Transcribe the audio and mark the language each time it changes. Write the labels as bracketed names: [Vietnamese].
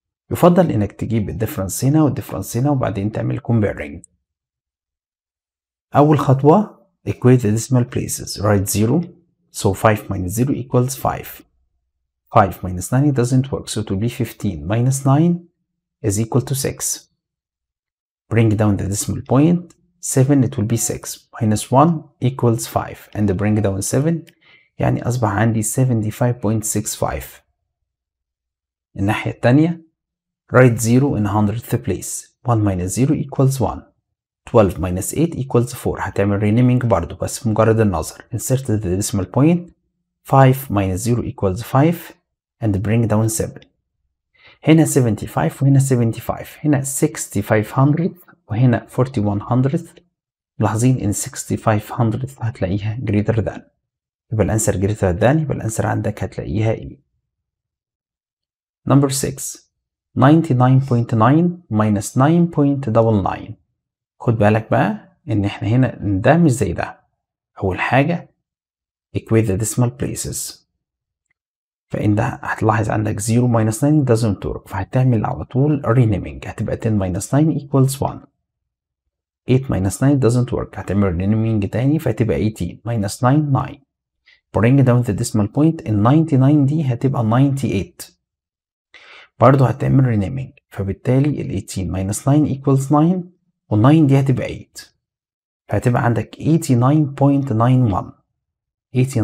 [Arabic] يفضل انك تجيب الديفرنس هنا والديفرنس هنا وبعدين تعمل comparing. اول خطوة [English] equate the decimal places. Write 0. So 5 minus 0 equals 5. 5 minus 9 doesn't work, so it will be 15 minus 9 is equal to 6. Bring down the decimal point, 7 it will be 6, minus 1 equals 5. And bring down 7, [Arabic] يعني أصبح عندي 75.65. الناحية التانية, [English] write 0 in 100th place, 1 minus 0 equals 1, 12 minus 8 equals 4. [Arabic] هتعمل renaming برضو بس مجرد النظر. [English] Insert the decimal point, 5 minus 0 equals 5. And bring down 7. [Arabic] هنا 75 وهنا 75. هنا 6500 وهنا 4100. ملاحظين ان 6500 هتلاقيها greater than. يبقى الانسر greater than. يبقى الانسر عندك هتلاقيها ايه؟ [English] Number 6. 99.9 minus 9.99. [Arabic] خد بالك بقى ان احنا هنا ده مش زي ده. اول حاجة [English] equate the decimal places. [Arabic] فان ده هتلاحظ عندك [English] 0 minus 9 doesn't work، [Arabic] فهتعمل على طول renaming، هتبقى [English] 10 minus 9 equals 1. 8 minus 9 doesn't work، [Arabic] هتعمل renaming تاني فهتبقى 18 minus 9 9. [English] bring down the decimal point [Arabic] ال 99 دي هتبقى 98، برضو هتعمل renaming، فبالتالي ال [English] 18 minus 9 equals 9 [Arabic] وال 9 دي هتبقى 8، فهتبقى عندك 89.91.